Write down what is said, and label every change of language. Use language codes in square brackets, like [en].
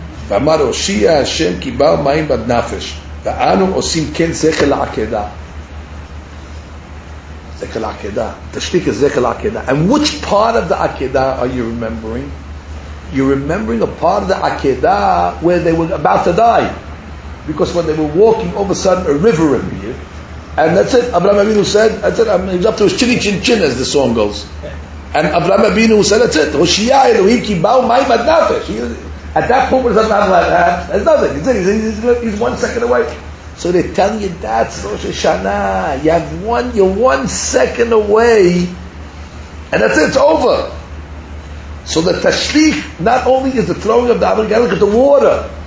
[he] ואמר הושיע השם כי באו מים בד נפש ואנו עושים כן זכר לעקדה. זכר לעקדה. תשליק זכר לעקדה. [en] And which part of the עקדה are you remembering? You're remembering a part of the עקדה where they were about to die. Because when they were walking, all of a sudden a river appeared. And that's it. Avraham Avinu said, that's it. He was up to his chinny chin chin, as the song goes. And Avraham Avinu said, that's it. [he] הושיע אלוהים כי באו מים בד נפש. [en] At that point, there's nothing like that. There's nothing. He's 1 second away. So they're telling you, that's Rosh Hashanah. You're 1 second away. And that's it. It's over. So the tashlich not only is the throwing of the avodah, you gotta look at the water.